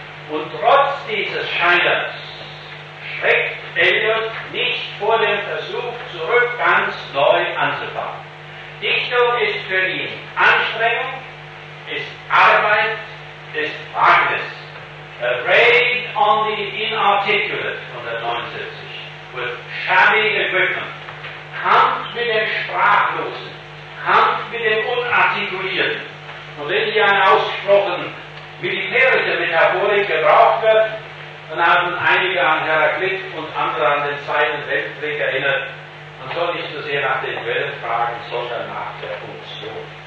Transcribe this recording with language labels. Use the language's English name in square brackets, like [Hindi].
[German] Und trotz dieses Scheiterns schreckt Eliot nicht vor dem Versuch zurück, ganz neu anzufangen. Dichtung ist für ihn Anstrengung, ist Arbeit, des Wagnis. [English] A raid on the inarticulate, 179, with shabby equipment. [German] Kampf mit dem Sprachlosen. Kampf mit dem Unartikulierten. Und wenn hier eine ausgesprochen militärische Metaphorik gebraucht wird, dann haben einige an Heraklit und andere an den Zweiten Weltkrieg erinnert. Man soll nicht so sehr nach den Quellen fragen, sondern nach der Funktion.